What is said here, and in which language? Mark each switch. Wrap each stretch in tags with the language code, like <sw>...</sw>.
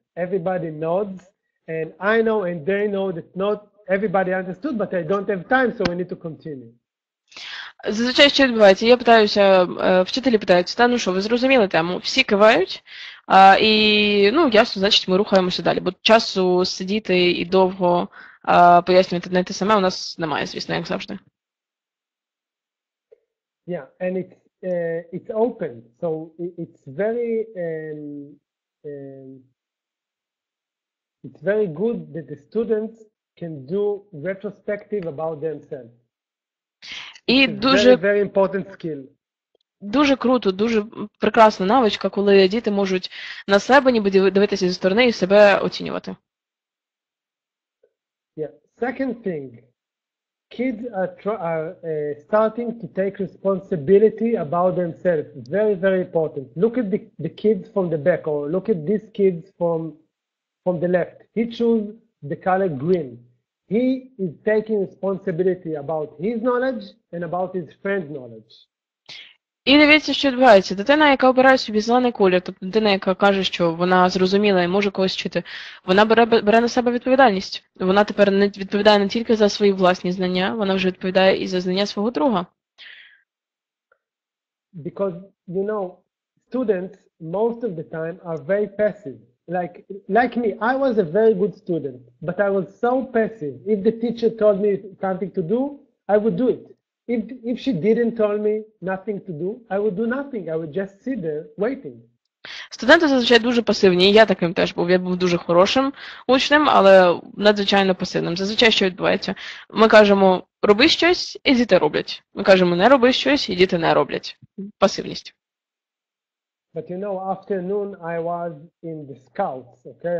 <en>Everybody nods, and I know and they know that not everybody understood, but I don't have time, so we need to continue.</en> <uk>Зазвичай, що відбувається, я питаюся, вчителі питаються, та ну що, ви зрозуміли тему? Всі кивають, і, ну, ясно, значить, ми рухаємося далі, бо часу сидіти і довго пояснювати не те саме у нас немає, звісно, як завжди.</uk> <en>Yeah, and it's open, so it's very good that the students can do retrospective about themselves.</en> <uk>І дуже,</uk> <en>very important skill.</en> <uk>Дуже круто, дуже прекрасна навичка, коли діти можуть на себе ніби дивитися зі сторони і себе оцінювати.</uk> <en>Yeah. Second thing, kids are starting to take responsibility about themselves. Very, very important. Look at the kids from the back, or look at these kids from the left. He chose the color green. He is taking responsibility about his knowledge and about his friend's knowledge.</en> <uk>І дивіться, що відбувається. Дитина, яка обирає собі зелений колір, тобто дитина, яка каже, що вона зрозуміла і може когось вчити, вона бере на себе відповідальність. Вона тепер не відповідає не тільки за свої власні знання, вона вже відповідає і за знання свого друга.</uk> <en>Because, you know, students most of the time are very passive. Like me, I was a very good student, but I was so passive. If the teacher told me something to do, I would do it. If she didn't tell me nothing to do, I would do nothing. I would just sit there waiting.</en> <uk>Студенти зазвичай дуже пасивні. Я таким теж був. Я був дуже хорошим учнем, але надзвичайно пасивним. Зазвичай що відбувається? Ми кажемо: "Роби щось", і діти роблять. Ми кажемо: "Не роби щось", і діти не роблять. Пасивність.</uk> <en>But you know, afternoon I was in the scouts, okay?</en>